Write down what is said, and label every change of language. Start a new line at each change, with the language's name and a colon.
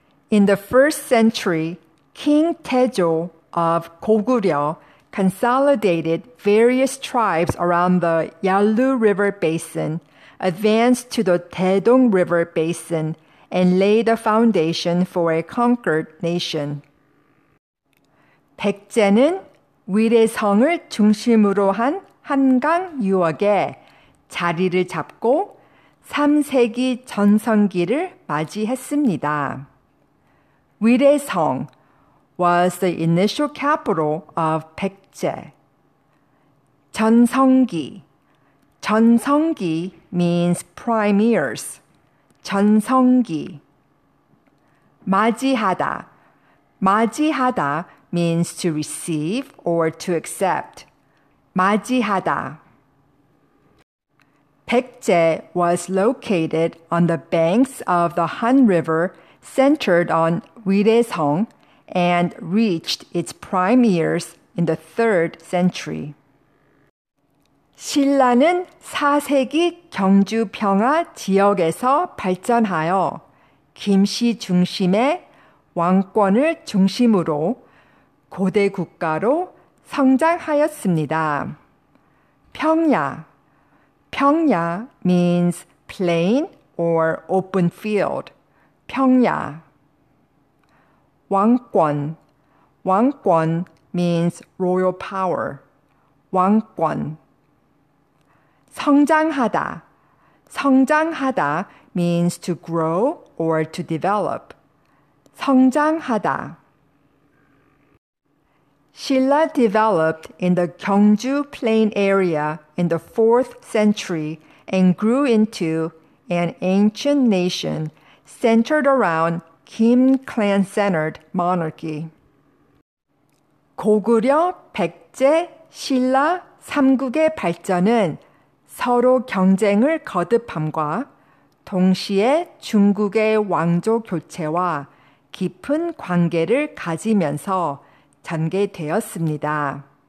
English: In the first century, King Taejo of Goguryeo consolidated various tribes around the Yalu River Basin, advanced to the Taedong River Basin, and laid the foundation for a conquered nation.
Korean: 백제는 위례성을 중심으로 한 한강 유역에 자리를 잡고 3세기 전성기를 맞이했습니다.
English: 위례성 was the initial capital of 백제.
Korean: 전성기.
English: 전성기 means prime years.
Korean: 전성기. 맞이하다.
English: 맞이하다 means to receive or to accept.
Korean: 맞이하다.
English: 백제 was located on the banks of the Han River, centered on 위례성, and reached its prime years in the 3rd century.
Korean: 신라는 4세기 경주 평화 지역에서 발전하여 김씨 중심의 왕권을 중심으로 고대 국가로 성장하였습니다.
English: 평야. 평야 means plain or open field. 평야. 왕권. 왕권 means royal power. 왕권. 성장하다. 성장하다 means to grow or to develop.
Korean: 성장하다.
English: Silla developed in the Gyeongju Plain area in the 4th century and grew into an ancient nation centered around Kim clan-centered monarchy.
Korean: 고구려, 백제, 신라 3국의 발전은 서로 경쟁을 거듭함과 동시에 중국의 왕조 교체와 깊은 관계를 가지면서 전개되었습니다.